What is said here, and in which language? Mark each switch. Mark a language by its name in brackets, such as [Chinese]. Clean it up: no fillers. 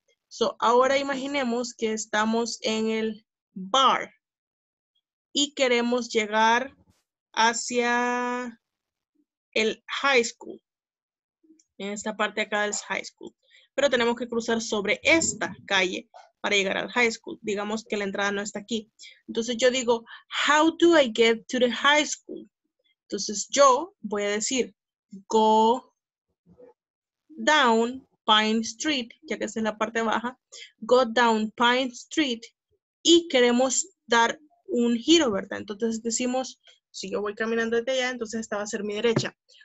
[Spanish] So, ahora imaginemos que estamos en el bar. Y queremos llegar hacia el high school. En esta parte acá es high school. Pero tenemos que cruzar sobre esta calle para llegar al high school. Digamos que la entrada no está aquí. Entonces yo digo, [English] how do I get to the high school? [Spanish] Entonces yo voy a decir, [English] go down Pine Street, [Spanish] ya que es en la parte baja, go down Pine Street, y queremos dar un giro, ¿verdad? Entonces decimos, si yo voy caminando desde allá, entonces esta va a ser mi derecha.